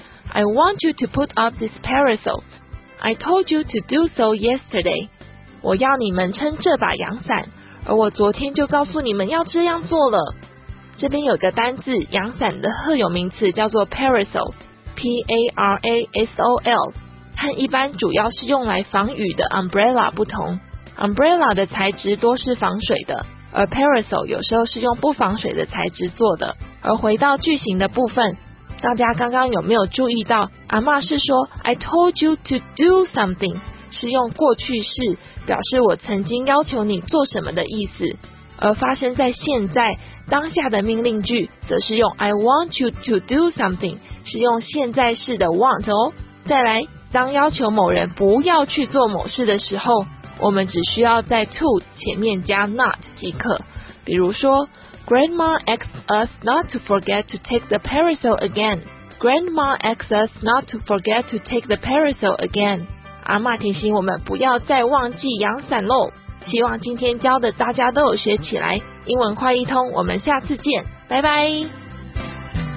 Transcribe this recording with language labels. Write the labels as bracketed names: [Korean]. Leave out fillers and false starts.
[English] I want you to put up this parasol. I told you to do so yesterday. [Chinese] 我要你们撑这把阳伞，而我昨天就告诉你们要这样做了。这边有个单字，阳伞的特有名词叫做 parasol, P-A-R-A-S-O-L, 和一般主要是用来防雨的 umbrella 不同。 Umbrella 的材质多是防水的，而 parasol 有时候是用不防水的材质做的。而回到句型的部分，大家刚刚有没有注意到，阿嬷是说 [English] I told you to do something, [Chinese] 是用过去式表示我曾经要求你做什么的意思，而发生在现在当下的命令句则是用 [English] I want you to do something, [Chinese] 是用现在式的 want 哦。再来，当要求某人不要去做某事的时候，我们只需要在 to 前面加 not 即可。比如说 [English] Grandma asks us not to forget to take the parasol again. Grandma asks us not to forget to take the parasol again. [Chinese] 阿嬷提醒我们不要再忘记阳伞咯。希望今天教的大家都有学起来。英文快译通，我们下次见，拜拜。